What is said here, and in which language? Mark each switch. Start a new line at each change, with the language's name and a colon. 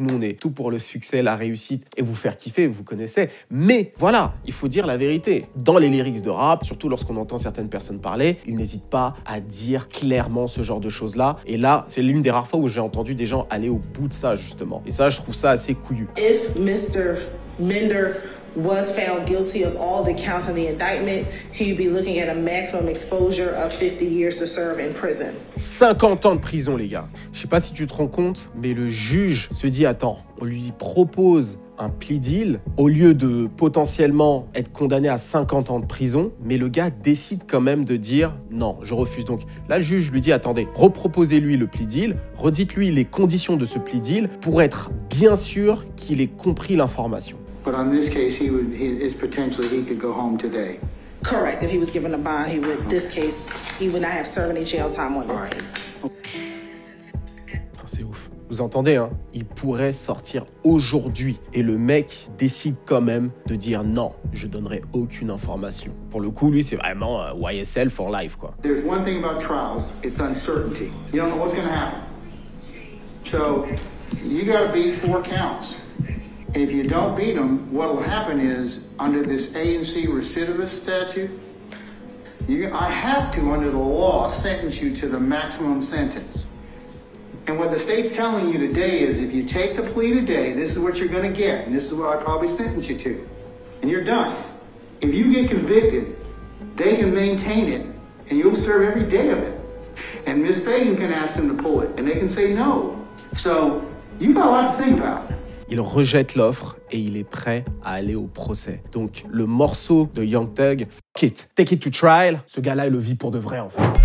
French: Nous, on est tout pour le succès, la réussite et vous faire kiffer, vous connaissez. Mais voilà, il faut dire la vérité. Dans les lyrics de rap, surtout lorsqu'on entend certaines personnes parler, ils n'hésitent pas à dire clairement ce genre de choses-là. Et là, c'est l'une des rares fois où j'ai entendu des gens aller au bout de ça, justement. Et ça, je trouve ça assez couillu.
English: If Mr. Minder was found guilty of all the counts in the indictment, he'd be looking at a maximum exposure of 50 years to serve in prison.
French: 50 ans de prison, les gars. Je sais pas si tu te rends compte, mais le juge se dit, attends, on lui propose un plea deal au lieu de potentiellement être condamné à 50 ans de prison, mais le gars décide quand même de dire non, je refuse. Donc là, le juge lui dit, attendez, reproposez-lui le plea deal, redites-lui les conditions de ce plea deal pour être bien sûr qu'il ait compris l'information.
English: But on this case, he could go home today. Correct. If he was given a bond, he would. Okay. This case, he would not have served any jail time on this case.
French: Vous entendez, hein? Il pourrait sortir aujourd'hui. Et le mec décide quand même de dire non, je donnerai aucune information. Pour le coup, lui, c'est vraiment YSL for life, quoi.
English: There's one thing about trials, it's uncertainty. You don't know what's gonna happen. So, you gotta beat four counts. If you don't beat them, what will happen is, under this ANC recidivist statute, I have to, under the law, sentence you to the maximum sentence. And what the state's telling you today is, if you take the plea today, this is what you're going to get, and this is what I probably sentence you to, and you're done. If you get convicted, they can maintain it, and you'll serve every day of it. And Ms. Fagan can ask them to pull it, and they can say no. So you've got a lot to think about.
French: Il rejette l'offre et il est prêt à aller au procès. Donc le morceau de Young Thug,
English: fuck it, take it to trial.
French: Ce gars-là, il le vit pour de vrai, en fait.